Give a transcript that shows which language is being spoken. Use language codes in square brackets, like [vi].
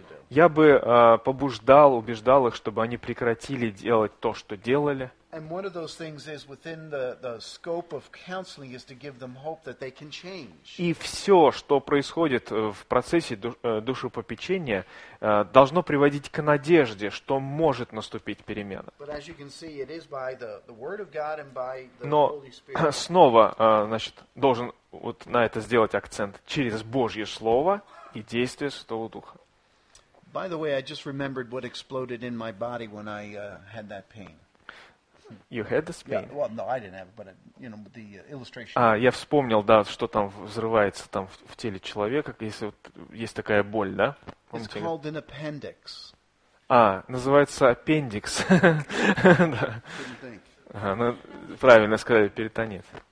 [ru] Я бы побуждал, убеждал их, чтобы они прекратили делать то, что делали. [en] And one of those things is within the scope of counseling is to give them hope that they can change. [ru] И все, что происходит в процессе душепопечения, должно приводить к надежде, что может наступить перемена. [en] But as you can see, it is by the word of God and by the [ru] Но [en] Holy Spirit. [ru] Но снова, значит, должен вот на это сделать акцент через Божье слово и действие Святого Духа. [en] By the way, I just remembered what exploded in my body when I had that pain. You had the pain. Yeah, well, no, I didn't have it, but you know the illustration. [ru] Я вспомнил, да, что там взрывается там в теле человека, если вот есть такая боль, да? [en] It's called an appendix. [ru] Называется аппендикс. Да. Ну, правильно сказали, перитонит.